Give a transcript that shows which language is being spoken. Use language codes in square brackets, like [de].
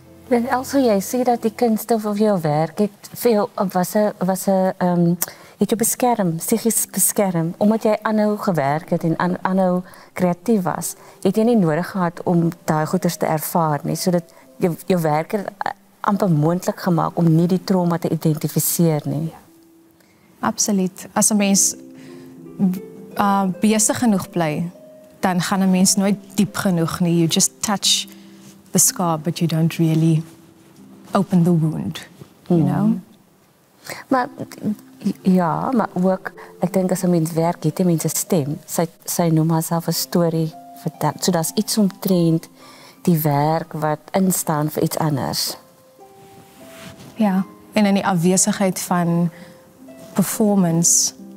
[af] Dan also jy sê dat die kunst of jou werk het vir jou was 'n het jou beskerm, psychisch beskerm, omdat jy aanhou gewerk het en aanhou kreatief was, het jy nie nodig gehad om daai goeders te ervaar nie, sodat jou werk het amper moontlik gemaak om nie die trauma te identifiseer nie. Absoluut. As 'n mens besig genoeg bly, dan gaan 'n mens nooit diep genoeg nie. [en] You just touch the scar, but you don't really open the wound, you know? [af] Maar ja, maar ook, ek dink as 'n mens werk, het die mens 'n stem. Sy noem haarself 'n story vertel. So daar's iets omtrent die werk wat instaan vir iets anders. Ja, en in die afwesigheid van performance